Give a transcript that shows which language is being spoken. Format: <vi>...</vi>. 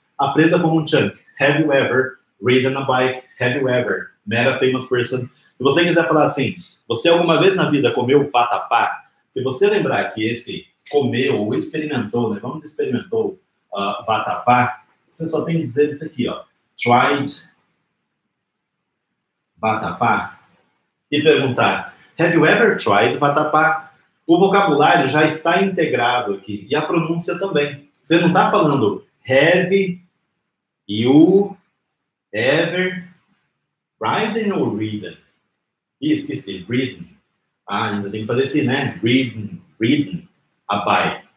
<pt>Aprenda como um chunk.</pt> <en>Have you ever ridden a bike? Have you ever met a famous person?</en> <pt>Se você quiser falar assim, você alguma vez na vida comeu vatapá? Se você lembrar que esse comeu ou experimentou, né? Vamos experimentou vatapá, você só tem que dizer isso aqui, ó.</pt> <en>Tried vatapá,</en> <pt>e perguntar,</pt> <en>have you ever tried vatapá?</en> <pt>O vocabulário já está integrado aqui, e a pronúncia também. Você não está falando</pt> <en>have you ever ridden or ridden?</en> <pt>Ih, esqueci, ridden. Ah, ainda tem que fazer assim, né?</pt> <en>Ridden, a bike.</en>